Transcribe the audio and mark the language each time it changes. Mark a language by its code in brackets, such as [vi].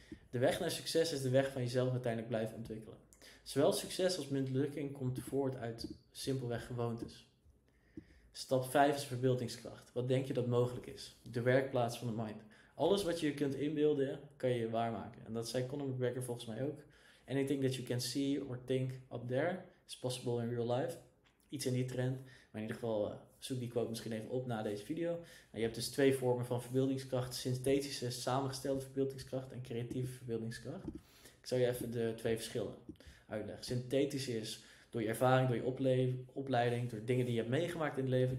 [nl] De weg naar succes is de weg van jezelf uiteindelijk blijven ontwikkelen. Zowel succes als mislukking komt voort uit simpelweg gewoontes. Stap 5 is verbeeldingskracht. Wat denk je dat mogelijk is? De werkplaats van de mind. Alles wat je kunt inbeelden, kan je waarmaken. En dat zei Conor McGregor volgens mij ook. [en] Anything that you can see or think up there is possible in real life. [nl] Iets in die trend. Maar in ieder geval zoek die quote misschien even op na deze video. Nou, je hebt dus twee vormen van verbeeldingskracht. Synthetische samengestelde verbeeldingskracht en creatieve verbeeldingskracht. Ik zal je even de twee verschillen uitleggen. Synthetische is door je ervaring, door je opleiding, door dingen die je hebt meegemaakt in het leven.